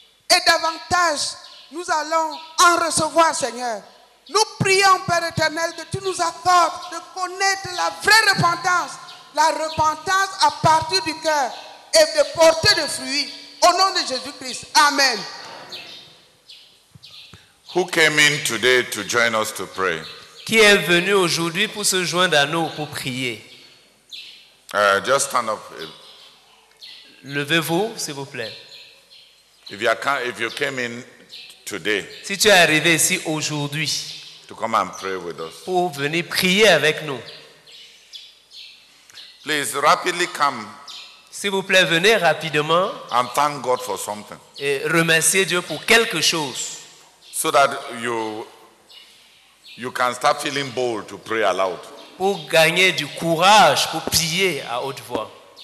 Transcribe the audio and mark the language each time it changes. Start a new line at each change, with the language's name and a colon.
French: Et davantage, nous allons en recevoir, Seigneur. Nous prions, Père éternel, que tu nous accordes de connaître la vraie repentance, la repentance à partir du cœur et de porter des fruits. Au nom de Jésus-Christ, amen.
English: Who came in today to join us to pray?
French: Qui est venu aujourd'hui pour se joindre à nous pour prier?
English: Just stand up.
French: Levez-vous, s'il vous plaît.
English: If you came in today,
French: si tu es arrivé ici aujourd'hui,
English: to come and pray with us,
French: pour venir prier avec nous,
English: please rapidly come.
French: S'il vous plaît, venez rapidement.
English: And thank God for something.
French: Et remerciez Dieu pour quelque chose.
English: So that you can start feeling bold to pray aloud.
French: Pour gagner du courage pour prier à haute voix.